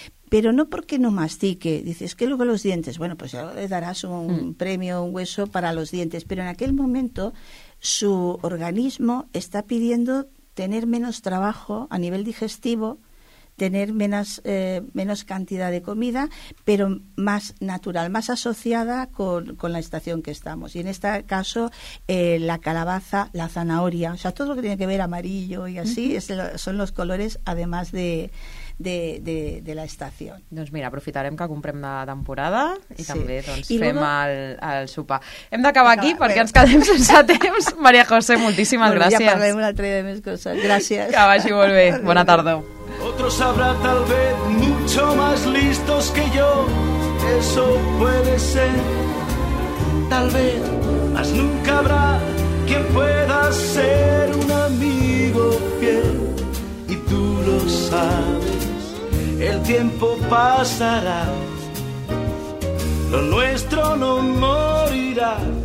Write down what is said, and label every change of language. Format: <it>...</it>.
<es>Pero no porque no mastique, dices, que luego los dientes, bueno, pues ya le darás un premio, un hueso para los dientes, pero en aquel momento su organismo está pidiendo tener menos trabajo a nivel digestivo, tener menos cantidad de comida, pero más natural, más asociada con la estación que estamos. Y en este caso, la calabaza, la zanahoria, o sea, todo lo que tiene que ver amarillo y así, son los colores, además de la estación.</es> <ca>Doncs mira, aprofitarem que comprem la temporada i també doncs, fem el sopar. Hem d'acabar aquí perquè ens quedem sense temps. Maria José, moltíssimes gràcies. Ja parlem un altre de més coses. Gràcies. Que vagi molt bé. Bona tarda.</ca> <es>Otro sabrá tal vez mucho más listos que yo. Eso puede ser. Tal vez. Mas nunca habrá quien pueda ser un amigo fiel. Y tú lo sabes. El tiempo pasará, lo nuestro no morirá.</es>